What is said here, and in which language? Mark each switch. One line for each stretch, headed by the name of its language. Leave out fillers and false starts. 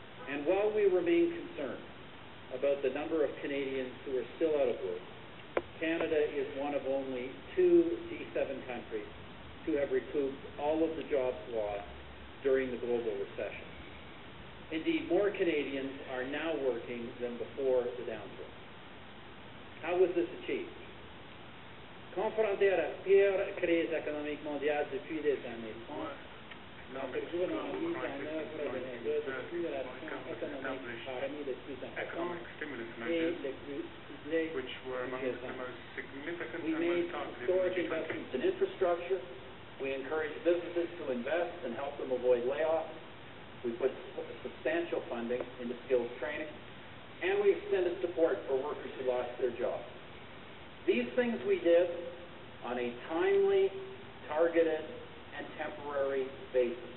English: And while we remain concerned about the number of Canadians who are still out of work, Canada is one of only two G7 countries to have recouped all of the jobs lost during the global recession. Indeed, more Canadians are now working than before the downturn. How was this achieved?
French: Confronté à la pire crise économique mondiale depuis des années 30, notre gouvernement a mis en œuvre des mesures de stimulation économique parmi les plus importantes et les plus ciblées depuis des années.
English: We made historic investments in infrastructure. We encouraged businesses to invest and help them avoid layoffs. We put substantial funding into skills training, and we extended support. support for workers who lost their jobs. These things we did on a timely, targeted, and temporary basis.